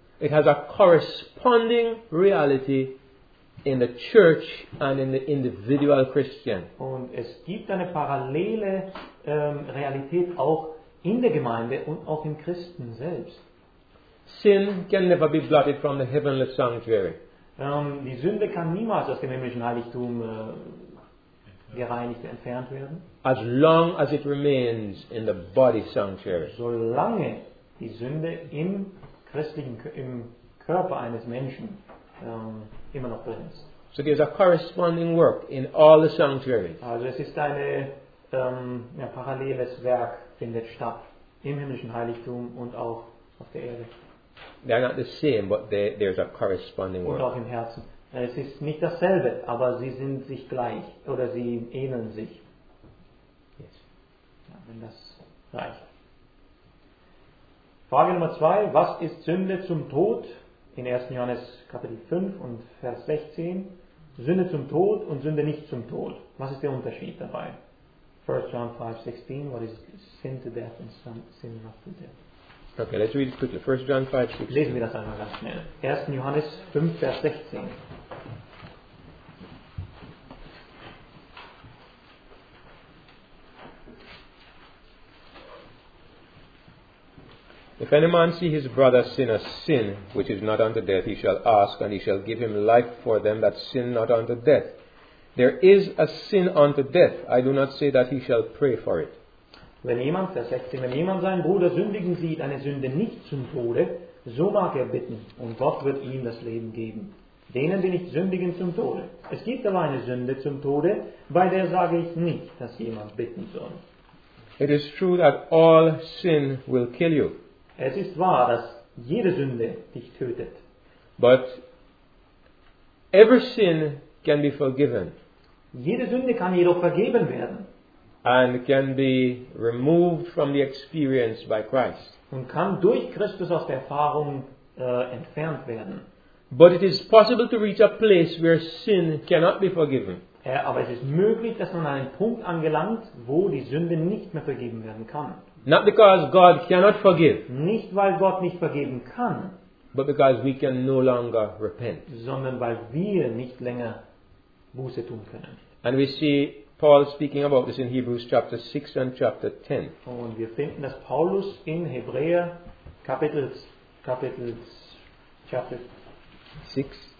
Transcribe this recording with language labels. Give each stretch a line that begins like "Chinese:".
English: It has a corresponding reality in the church and in the individual Christian.
German: Und es gibt eine parallele Realität auch in der Gemeinde und auch im Christen selbst.
English: Sin can never be blotted from the heavenly sanctuary.
German: Die Sünde kann niemals aus dem himmlischen Heiligtum gereinigt, entfernt werden.
English: As long as it remains in the body sanctuary.
German: Solange die Sünde im christlichen im Körper eines Menschen immer noch drin ist.
English: So there's a corresponding work in all the sanctuaries.
German: Also es ist eine paralleles Werk findet statt im himmlischen Heiligtum und auch auf der Erde.
English: They are not the same, but there's a corresponding work.
German: Und auch im Herzen. Es ist nicht dasselbe, aber sie sind sich gleich oder sie ähneln sich.
English: Yes.
German: Ja, wenn das reicht. Frage Nummer 2. Was ist Sünde zum Tod? In 1. Johannes Kapitel 5 und Vers 16. Sünde zum Tod und Sünde nicht zum Tod. Was ist der Unterschied dabei? 1. John 5, 16.
English: What is sin to death and sin not to death? Okay, let's read it quickly. 1 John 5, 16.
German: Lesen wir das einmal ganz schnell. 1. Johannes 5, Vers 16.
English: If any man see his brother sin a sin which is not unto death, he shall ask, and he shall give him life for them that sin not unto death. There is a sin unto death. I do not say that he shall pray for it.
German: Wenn jemand seinen Bruder sündigen sieht, eine Sünde nicht zum Tode, so mag er bitten, und Gott wird ihm das Leben geben. Denen, die nicht sündigen, zum Tode. Es gibt aber eine Sünde zum Tode, bei der sage ich nicht, dass jemand bitten soll.
English: It is true that all sin will kill you.
German: Es ist wahr, dass jede Sünde dich tötet.
English: But every sin can be forgiven.
German: Jede Sünde kann jedoch vergeben werden.
English: And can be removed from the experience by Christ.
German: Und kann durch Christus aus der Erfahrung entfernt werden.
English: But it is possible to reach a place where sin cannot be forgiven.
German: Aber es ist möglich, dass man an einen Punkt angelangt, wo die Sünde nicht mehr vergeben werden kann.
English: Not because God cannot forgive.
German: Nicht weil Gott nicht vergeben kann.
English: But because we can no longer repent.
German: Sondern weil wir nicht länger Buße tun können.
English: And we see Paul speaking about this in Hebrews chapter 6 and chapter 10.
German: Und wir finden, dass Paulus in Hebräer Kapitel 6